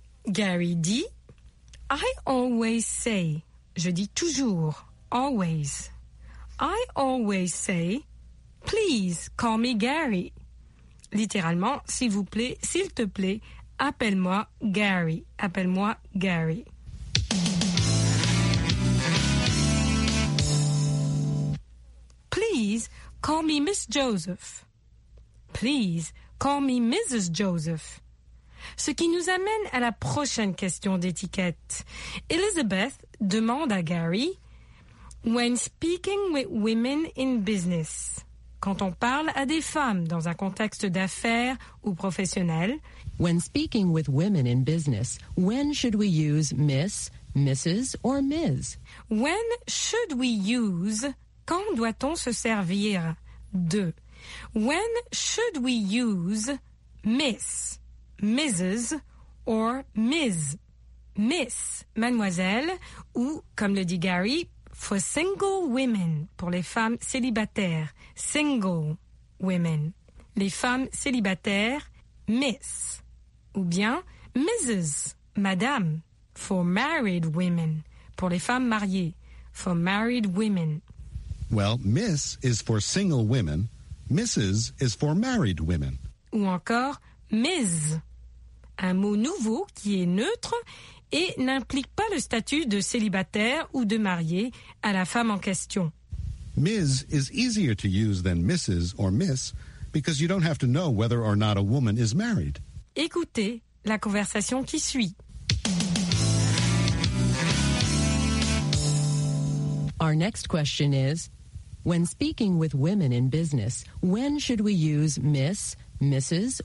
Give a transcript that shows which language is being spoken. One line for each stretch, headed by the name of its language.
French: Gary dit,
English: I always say,
French: je dis toujours,
English: always. I always say, please call me Gary.
French: Littéralement, s'il vous plaît, s'il te plaît, appelle-moi Gary. Appelle-moi Gary.
English: Please call me Miss Joseph. Please call me Mrs. Joseph.
French: Ce qui nous amène à la prochaine question d'étiquette. Elizabeth demande à Gary...
English: When speaking with women in business,
French: quand on parle à des femmes dans un contexte d'affaires ou professionnel,
English: when speaking with women in business, when should we use Miss, Mrs. or Ms? When should we use,
French: quand doit-on se servir de?
English: When should we use Miss, Mrs. or Ms?
French: Miss, mademoiselle, ou comme le dit Gary,
English: for single women,
French: pour les femmes célibataires.
English: Single women.
French: Les femmes célibataires, miss. Ou bien, Mrs., madame.
English: For married women,
French: pour les femmes mariées.
English: For married women. Well, miss is for single women. Mrs. is for married women.
French: Ou encore, Ms. Un mot nouveau qui est neutre et n'implique pas le statut de célibataire ou de marié à la femme en question.
English: Ms. is easier to use than Mrs. or Miss because you don't have to know whether or not a woman is married.
French: Écoutez la conversation qui suit.
English: Our next question is, when speaking with women in business, when should we use Miss, Mrs.